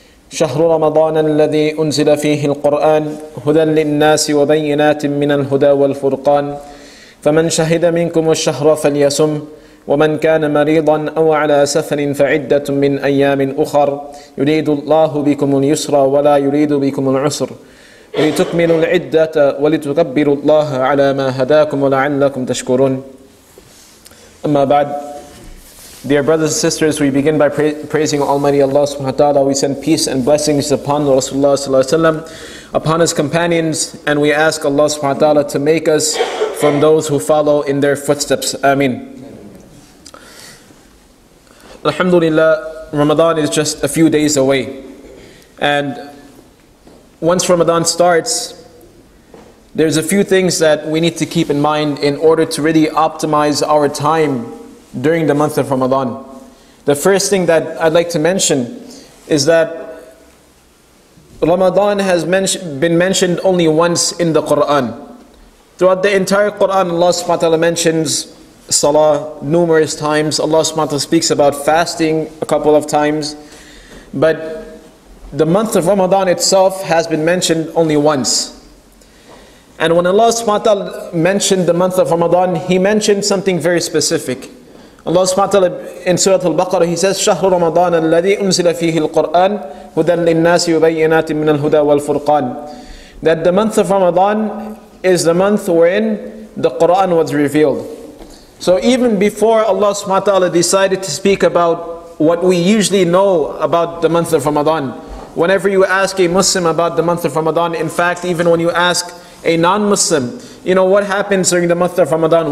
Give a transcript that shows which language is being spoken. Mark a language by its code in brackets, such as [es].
[ar] شهر رمضان الذي أنزل فيه القرآن هدى للناس وبينات من الهدى والفرقان فمن شهد منكم الشهر فليصم ومن كان مريضا أو على سفر فعدة من أيام أخر يريد الله بكم اليسر ولا يريد بكم العسر لتكملوا العدة ولتكبروا الله على ما هداكم ولعلكم تشكرون أما بعد. [en] Dear brothers and sisters, we begin by praising Almighty Allah subhanahu wa ta'ala. We send peace and blessings upon Rasulullah sallallahu alayhi wa sallam, upon his companions, and we ask Allah subhanahu wa ta'ala to make us from those who follow in their footsteps. Ameen. Alhamdulillah, Ramadan is just a few days away. And once Ramadan starts, there's a few things that we need to keep in mind in order to really optimize our time during the month of Ramadan. The first thing that I'd like to mention is that Ramadan has been mentioned only once in the Quran. Throughout the entire Quran, Allah subhanahu wa ta'ala mentions Salah numerous times. Allah subhanahu wa ta'ala speaks about fasting a couple of times. But the month of Ramadan itself has been mentioned only once. And when Allah subhanahu wa ta'ala mentioned the month of Ramadan, He mentioned something very specific. Allah subhanahu wa ta'ala in Surah Al-Baqarah, He says, [ar] شَهْرُ رَمَضَانَ الَّذِي أُنزِلَ فِيهِ الْقُرْآنِ هُدًى لِلنَّاسِ وَبَيِّنَاتٍ مِّنَ الْهُدَى وَالْفُرْقَانِ. [en] That the month of Ramadan is the month wherein the Qur'an was revealed. So even before Allah subhanahu wa ta'ala decided to speak about what we usually know about the month of Ramadan, whenever you ask a Muslim about the month of Ramadan, in fact, even when you ask a non-Muslim, you know, what happens during the month of Ramadan?